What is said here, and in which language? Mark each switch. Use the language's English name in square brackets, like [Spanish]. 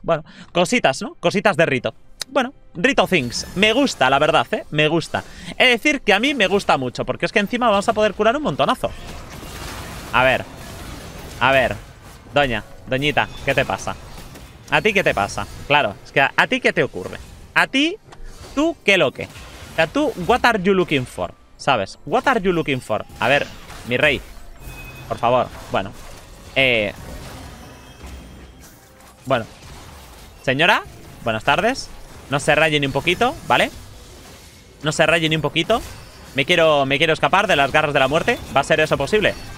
[Spanish] Bueno, cositas, ¿no? Cositas de Rito. Bueno, Rito Things. Me gusta, la verdad, ¿eh? Me gusta. Es decir, que a mí me gusta mucho, porque es que encima vamos a poder curar un montonazo. A ver. A ver. Doña, doñita, ¿qué te pasa? ¿A ti qué te pasa? Claro, es que ¿a ti qué te ocurre? ¿A ti? ¿Tú qué lo que? O sea, tú, [English] what are you looking for? [Spanish] ¿Sabes? [English] What are you looking for? [Spanish] A ver, mi rey, por favor, bueno. Bueno. Señora, buenas tardes. No se raye ni un poquito, ¿vale? No se raye ni un poquito. Me quiero escapar de las garras de la muerte. ¿Va a ser eso posible?